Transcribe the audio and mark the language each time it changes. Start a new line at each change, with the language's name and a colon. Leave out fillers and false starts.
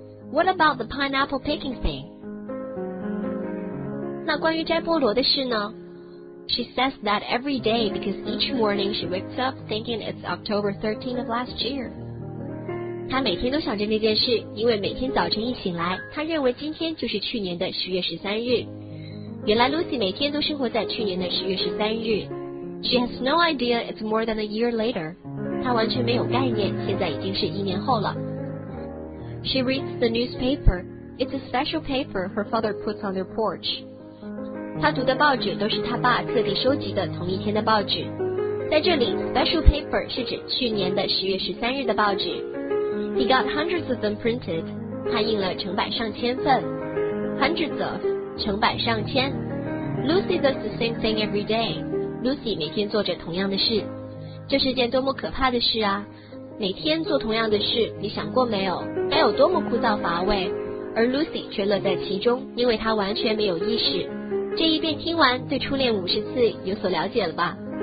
English: What about the pineapple picking thing?
Chinese: 那关于摘菠萝的事呢？
English: She says that every day because each morning she wakes up thinking it's October 13th of last year.
Chinese: 她每天都想着那件事，因为每天早晨一醒来，她认为今天就是去年的10月13日。原来 Lucy 每天都生活在去年的10月13日。
English: She has no idea it's more than a year later.
Chinese: 她完全没有概念，现在已经是一年后了。
English: She reads the newspaper. It's a special paper her father puts on their porch.
Chinese: 她读的报纸都是她爸特地收集的同一天的报纸。在这里 ，
English: special paper
Chinese: 是指去年的10月13日的报纸。
English: He got hundreds of them printed.
Chinese: 他印了成百上千份。
English: Hundreds of
Chinese: 成百上千。
English: Lucy does the same thing every day.
Chinese: Lucy 每天做着同样的事。这是件多么可怕的事啊！每天做同样的事，你想过没有？该有多么枯燥乏味？而 Lucy 却乐在其中，因为她完全没有意识。这一遍听完，对初恋50次有所了解了吧？